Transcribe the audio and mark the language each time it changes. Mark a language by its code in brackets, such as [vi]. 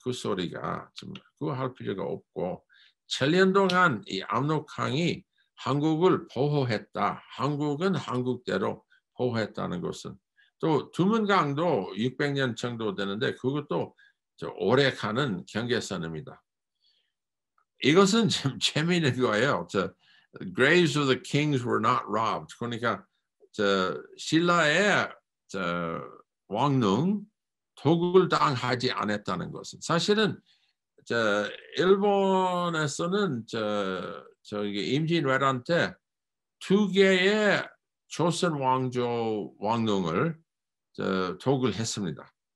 [ko] 그 소리가 좀 그거 할 필요가 없고 천년 동안 이 압록강이 한국을 보호했다. 한국은 한국대로 보호했다는 것은 또 두문강도 600년 정도 되는데 그것도 오래 가는 경계선입니다. 이것은 좀 재미있는 거예요. [en] The graves of the kings were not robbed. [ko] 그러니까 신라의 왕릉 도굴 당하지 않았다는 것은 사실은 일본에서는 저기 임진왜란한테 두 개의 조선 왕조 왕릉을 도굴했습니다.